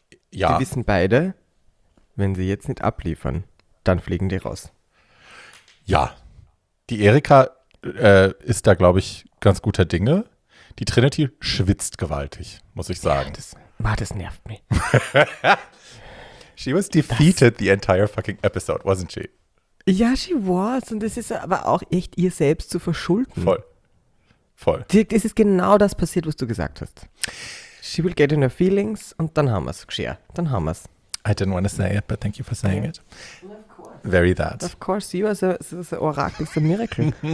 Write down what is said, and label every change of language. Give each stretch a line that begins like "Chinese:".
German: ja. Die wissen beide, wenn sie jetzt nicht abliefern, dann fliegen die raus. Ja, die Erika ist da, glaube ich, ganz guter Dinge. Die Trinity schwitzt gewaltig, muss ich sagen. Das nervt mich.
English: She was defeated the entire fucking episode, wasn't she? Ja, she was.
German: Und das ist aber auch echt ihr selbst zu verschulden. Voll. Voll. Dirk, es ist genau das passiert, was du gesagt hast.
English: She will get in her feelings
German: und dann haben wir es. Geschirr. Dann haben wir es.
English: I didn't want to say it, but thank you for saying it. Very that. Of course, you are the Oracle, the miracle.